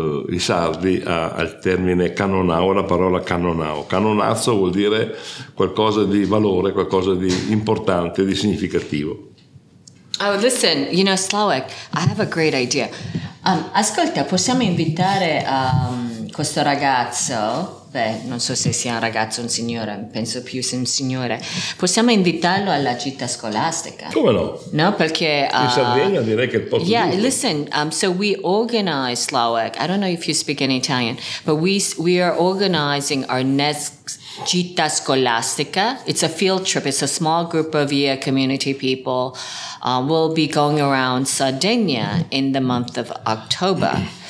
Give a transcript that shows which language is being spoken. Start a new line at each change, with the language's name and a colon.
Italian: i sardi al termine canonao, la parola canonao. Canonazzo vuol dire qualcosa di valore, qualcosa di importante, di significativo.
English: Oh, listen, you know, Slavik, I have a great idea.
Italian: Ascolta, possiamo invitare questo ragazzo, beh, non so se sia un ragazzo o un signore, penso più sia un signore, possiamo invitarlo alla gita scolastica? Come no? No, perché... In Sardegna direi che è il posto giusto.
English: Yeah, listen, so we organize, Slavik, I don't know if you speak in Italian, but we are organizing our next gita scolastica. It's a field trip, it's a small group of year community people. We'll be going around Sardegna in the month of October.